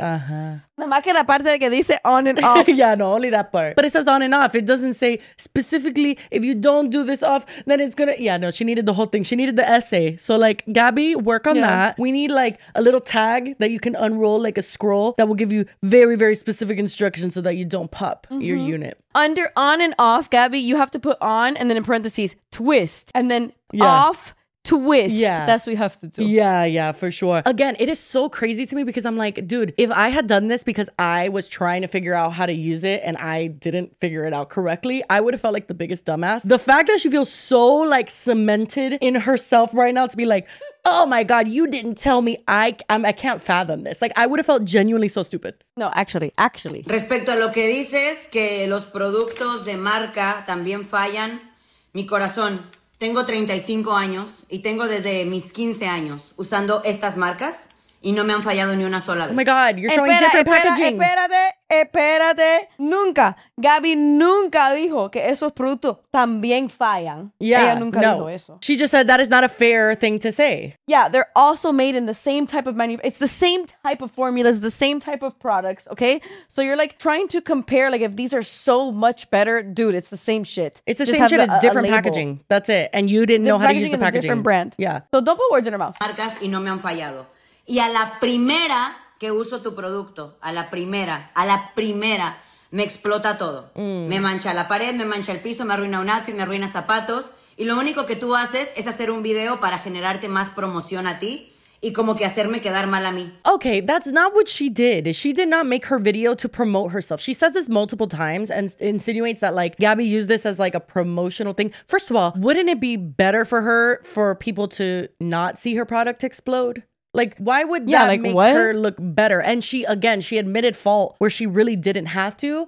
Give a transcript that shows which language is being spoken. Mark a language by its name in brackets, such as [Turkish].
[Spanish] Nada más que la parte de que dice [English] on and off. Yeah, no, only that part. But it says on and off. It doesn't say specifically, if you don't do this off, then it's gonna... Yeah, no, she needed the whole thing. She needed the essay. So, like, Gabby, work on that. We need, like, a little tag that you can unroll, like a scroll, that will give you very, very specific instructions so that you don't pop your unit. Under on and off, Gabby, you have to put on, and then in parentheses, twist. And then off, twist. Yeah. That's what you have to do. Yeah, yeah, for sure. Again, it is so crazy to me because I'm like, dude, if I had done this because I was trying to figure out how to use it and I didn't figure it out correctly, I would have felt like the biggest dumbass. The fact that she feels so like cemented in herself right now to be like, oh my God, you didn't tell me. I can't fathom this. Like, I would have felt genuinely so stupid. No, actually. [Spanish] Respecto a lo que dices, que los productos de marca también fallan, mi corazón, tengo 35 años y tengo desde mis 15 años usando estas marcas y no me han fallado ni una sola vez. [English] Oh my God, you're showing different packaging. [Spanish] Espérate. Nunca. Gabby nunca dijo que esos productos también fallan. Yeah, ella nunca dijo eso. [English] She just said that is not a fair thing to say. Yeah, they're also made in the same type of it's the same type of formulas, the same type of products, okay? So you're like trying to compare, like if these are so much better, dude, it's the same shit. It's the just same shit, it's different packaging. That's it. And you didn't know how to use the packaging. Different brand. Yeah. So don't put words in her mouth. [Spanish] Marcas y no me han fallado. Y a la primera que uso tu producto, a la primera, me explota todo. Mm. Me mancha la pared, me mancha el piso, me arruina un outfit, me arruina zapatos. Y lo único que tú haces es hacer un video para generarte más promoción a ti y como que hacerme quedar mal a mí. [English] Okay, that's not what she did. She did not make her video to promote herself. She says this multiple times and insinuates that like Gabby used this as like a promotional thing. First of all, wouldn't it be better for her for people to not see her product explode? Like, why would that her look better? And she, again, she admitted fault where she really didn't have to.